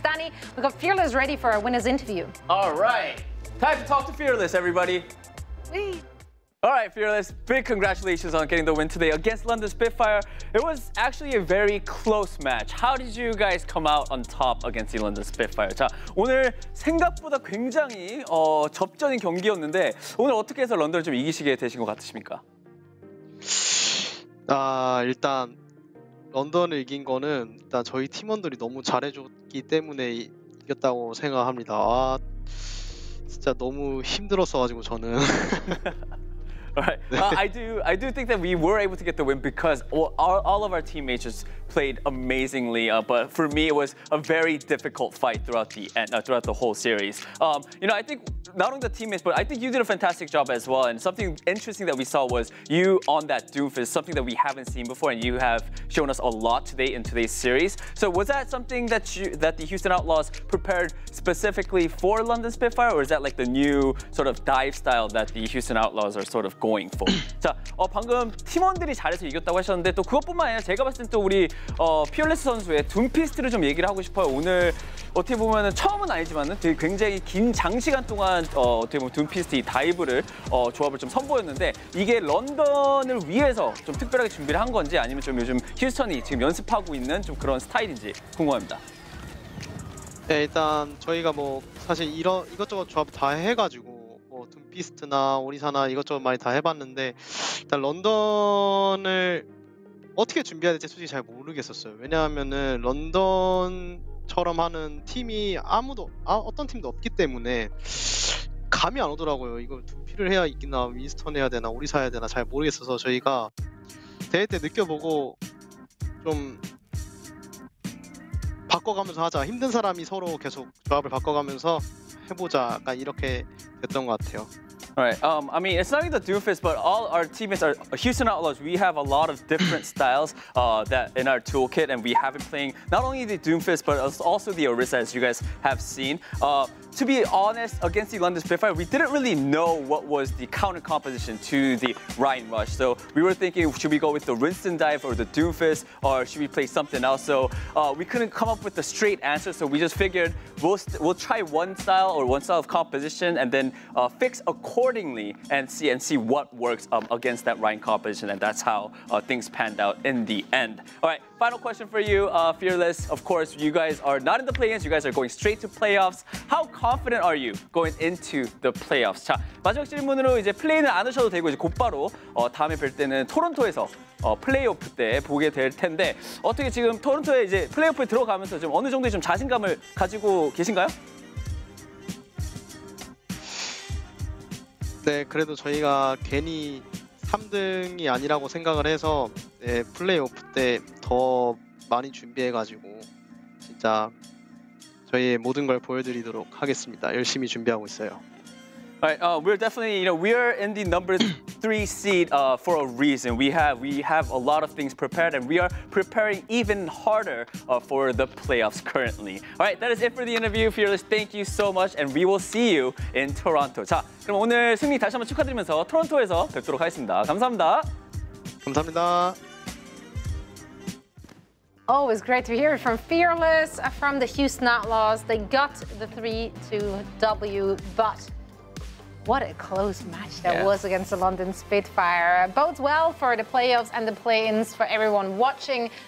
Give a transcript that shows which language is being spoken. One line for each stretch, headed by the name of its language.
English: Danny, we got Fearless ready for our winner's interview. All right. Time to talk to Fearless, everybody. Wee. All right, Fearless, big congratulations on getting the win today against London Spitfire. It was actually a very close match. How did you guys come out on top against the London Spitfire?
Korean: 자, 오늘 생각보다 굉장히 접전인 경기였는데 오늘 어떻게 해서 런던을 좀 이기시게 되신 것 같으십니까? 아, 일단 런던을 이긴 거는 일단 저희 팀원들이 너무 잘해줬기 때문에 이겼다고 생각합니다. 아, 진짜 너무 힘들었어가지고 저는.
English: Right. I do think that we were able to get the win because all of our teammates just played amazingly. But for me, it was a very difficult fight throughout the whole series. You know, I think not only the teammates, but I think you did a fantastic job as well. And something interesting that we saw was you on that Doomfist, something that we haven't seen before, and you have shown us a lot today in today's series. So was that something that the Houston Outlaws prepared specifically for London Spitfire, or is that like the new sort of dive style that the Houston Outlaws are sort of going for?
Korean: 자, 방금 팀원들이 잘해서 이겼다고 하셨는데 또 그것뿐만 아니라 제가 봤을 땐 또 우리 피얼레스 선수의 둠피스트를 좀 얘기를 하고 싶어요. 오늘 어떻게 보면은 처음은 아니지만은 되게 굉장히 긴 장시간 동안 어떻게 보면 둠피스트 이 다이브를 조합을 좀 선보였는데 이게 런던을 위해서 좀 특별하게 준비를 한 건지 아니면 좀 요즘 휴스턴이 지금 연습하고 있는 좀 그런 스타일인지 궁금합니다. 네, 일단 저희가 뭐 사실 이것저것 조합 다 해가지고 뭐 둠피스트나 오리사나 이것저것 많이 다 해봤는데 일단 런던을 어떻게 준비해야 될지 솔직히 잘 모르겠었어요. 왜냐하면은 런던처럼 하는 팀이 어떤 팀도 없기 때문에 감이 안 오더라고요. 이거 둠피를 해야 이기나 윈스턴 해야 되나 오리사 해야 되나 잘 모르겠어서 저희가 대회 때 느껴보고 좀 바꿔가면서 하자. 힘든 사람이 서로 계속 조합을 바꿔가면서 해보자. 약간 이렇게 됐던 것 같아요.
English: Right. I mean, it's not even the Doomfist, but all our teammates are Houston Outlaws. We have a lot of different styles that in our toolkit, and we have been playing not only the Doomfist, but also the Orisa, as you guys have seen. To be honest, against the London Spitfire, we didn't really know what was the counter composition to the Ryan Rush. So we were thinking, should we go with the Winston Dive or the Doomfist, or should we play something else? So we couldn't come up with a straight answer, so we just figured we'll try one style or one style of composition and then fix accordingly and see what works against that Ryan composition, and that's how things panned out in the end. All right. Final question for you, Fearless. Of course, you guys are not in the play-ins. You guys are going straight to playoffs. How confident are you going into the playoffs?
Korean: 자, 마지막 질문으로 이제 플레이는 안 하셔도 되고 이제 곧바로 다음에 뵐 때는 토론토에서 플레이오프 때 보게 될 텐데 어떻게 지금 토론토에 이제 플레이오프에 들어가면서 좀 어느 정도의 좀 자신감을 가지고 계신가요? 네, 그래도 저희가 괜히 3등이 아니라고 생각을 해서 네, 플레이오프 때 더 많이 준비해가지고 진짜 저희의 모든 걸 보여드리도록 하겠습니다. 열심히 준비하고 있어요.
English: Alright, we're definitely, you know, we are in the number 3 seed for a reason. We have a lot of things prepared, and we are preparing even harder for the playoffs currently. Alright, that is it for the interview, Fearless. Thank you so much, and we will see you in Toronto.
Korean: 자, 그럼 오늘 승리 다시 한번 축하드리면서 토론토에서 뵙도록 하겠습니다. 감사합니다. 감사합니다.
English: Always great to hear from Fearless, from the Houston Outlaws. They got the 3-2 W, but what a close match that was against the London Spitfire. Bodes well for the playoffs and the play-ins for everyone watching.